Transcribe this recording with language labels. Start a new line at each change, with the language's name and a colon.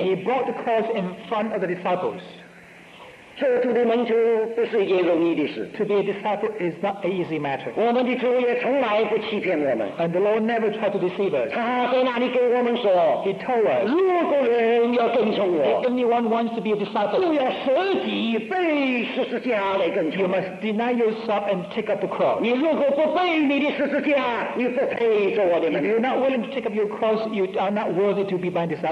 English: and he brought the cross in front of the disciples.
Chinese: 做主的门徒不是一件容易的事,
English: to be a disciple is not an easy matter.
Chinese: 我们的主也从来不欺骗我们,
English: and the Lord never tried to deceive us.
Chinese: 他在那里给我们说,
English: he told us,
Chinese: 如果人要跟从我,
English: if anyone wants to be a disciple,
Chinese: 就要舍己背十字架来跟从,
English: you must deny yourself and take up the cross.
Chinese: 你如果不背你的十字架,
English: if you're not willing to take up your cross, you are not worthy to be my disciple.